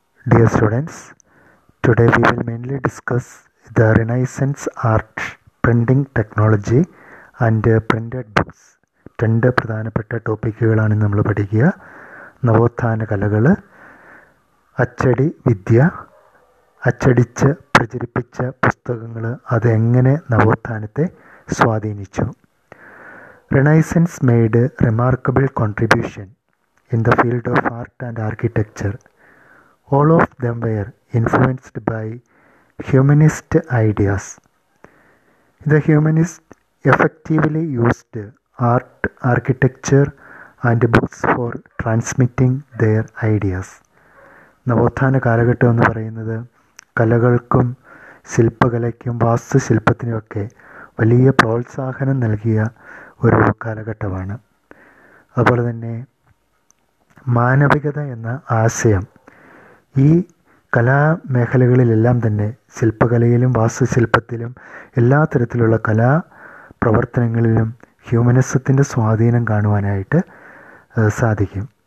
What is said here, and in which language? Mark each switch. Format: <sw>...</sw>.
<en>Dear students, today we will mainly discuss the Renaissance art, printing technology and printed books.</en> <ml>രണ്ട് പ്രധാനപ്പെട്ട ടോപ്പിക്കുകളാണ് നമ്മൾ പഠിക്കുക. നവോത്ഥാന കലകൾ, അച്ചടി വിദ്യ, അച്ചടിച്ച് പ്രചരിപ്പിച്ച പുസ്തകങ്ങൾ, അതെങ്ങനെ നവോത്ഥാനത്തെ സ്വാധീനിച്ചു.</ml> <en>Renaissance made remarkable contribution in the field of art and architecture. All of them were influenced by humanist ideas. The humanists effectively used art, architecture and books for transmitting their ideas.</en> <ml>നവോത്ഥാന കാലഘട്ടം എന്ന് പറയുന്നത് കലകൾക്കും ശില്പകലയ്ക്കും വാസ്തുശില്പത്തിനുമൊക്കെ വലിയ പ്രോത്സാഹനം നൽകിയ ഒരു കാലഘട്ടമാണ്. അതുപോലെ തന്നെ മാനവികത എന്ന ആശയം ഈ കലാമേഖലകളിലെല്ലാം തന്നെ, ശില്പകലയിലും വാസ്തുശില്പത്തിലും എല്ലാ തരത്തിലുള്ള കലാ പ്രവർത്തനങ്ങളിലും ഹ്യൂമനിസത്തിൻ്റെ സ്വാധീനം കാണുവാനായിട്ട് സാധിക്കും.</ml>